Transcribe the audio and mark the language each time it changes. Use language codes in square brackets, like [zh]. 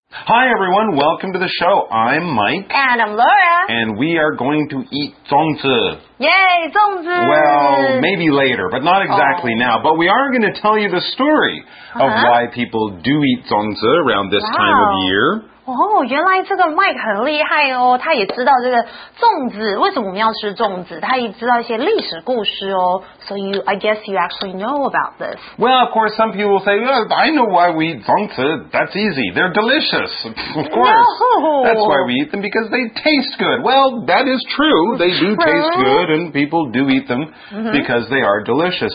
[en] Hi everyone, welcome to the show. I'm Mike. And I'm Laura. And we are going to eat 粽子. Yay, 粽子! Well, maybe later, but not exactly now. But we are going to tell you the story of why people do eat 粽子 around this time of year. [zh] 原来这个 Mike 很厉害哦，他也知道这个粽子，为什么我们要吃粽子，他也知道一些历史故事哦。 [en] So you, I guess you actually know about this. Well, of course, some people say, well, I know why we eat 粽子, that's easy, they're delicious, of course. No! That's why we eat them, because they taste good. Well, that is true, they do taste good, and people do eat them because they are delicious.